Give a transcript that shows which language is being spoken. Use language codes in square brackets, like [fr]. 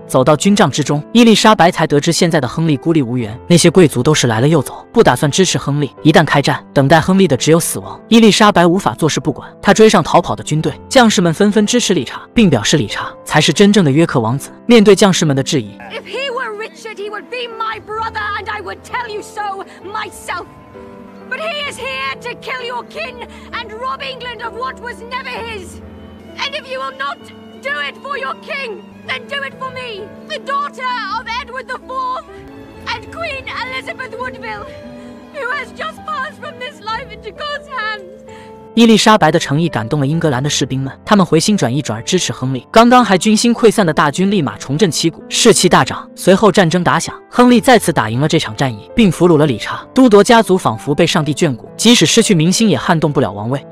[zh] 走到军帐之中，伊丽莎白才得知现在的亨利孤立无援，那些贵族都是来了又走，不打算支持亨利，一旦开战等待亨利的只有死亡。伊丽莎白无法坐视不管，她追上逃跑的军队，将士们纷纷支持理查，并表示理查才是真正的约克王子。面对将士们的质疑， [en] Richard, he would be my brother, and I would tell you so myself. But he is here to kill your kin and rob England of what was never his. And if you will not do it for your king, then do it for me, the daughter of Edward the Fourth and Queen Elizabeth Woodville, who has just passed from this life into God's hands. [zh] 伊丽莎白的诚意感动了英格兰的士兵们，他们回心转意，转而支持亨利。刚刚还军心溃散的大军立马重振旗鼓，士气大涨。随后战争打响，亨利再次打赢了这场战役，并俘虏了理查。都铎家族仿佛被上帝眷顾，即使失去民心也撼动不了王位。